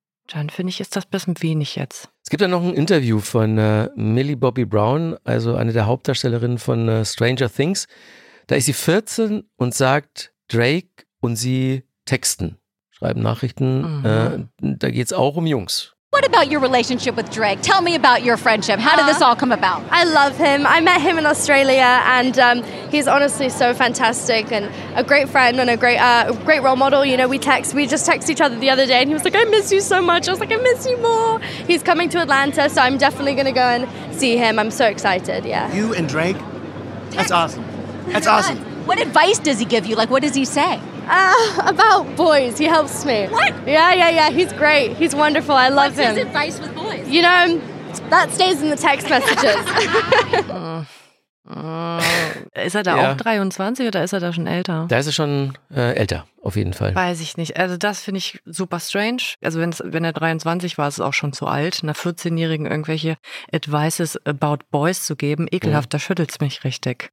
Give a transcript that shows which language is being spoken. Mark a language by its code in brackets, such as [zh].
[de] Dann finde ich, ist das ein bisschen wenig jetzt. Es gibt dann noch ein Interview von Millie Bobby Brown, also eine der Hauptdarstellerinnen von Stranger Things. Da ist sie 14 und sagt, Drake und sie texten, schreiben Nachrichten. Mhm. Da geht es auch um Jungs. [en] What about your relationship with Drake? Tell me about your friendship. How did this all come about? I love him. I met him in Australia and he's honestly so fantastic and a great friend and a great role model. You know, we just text each other the other day and he was like, I miss you so much. I was like, I miss you more. He's coming to Atlanta, so I'm definitely going to go and see him. I'm so excited, yeah. You and Drake? That's awesome. That's awesome. What advice does he give you? Like, what does he say? About boys. He helps me. What? Yeah. He's great. He's wonderful. I love him. What's his advice with boys? You know, that stays in the text messages. [de] Ist er da auch 23 oder ist er da schon älter? Da ist er schon älter, auf jeden Fall. Weiß ich nicht. Also das finde ich super strange. Also wenn er 23 war, ist es auch schon zu alt, einer 14-Jährigen irgendwelche Advices about boys zu geben. Ekelhaft, da schüttelt es mich richtig.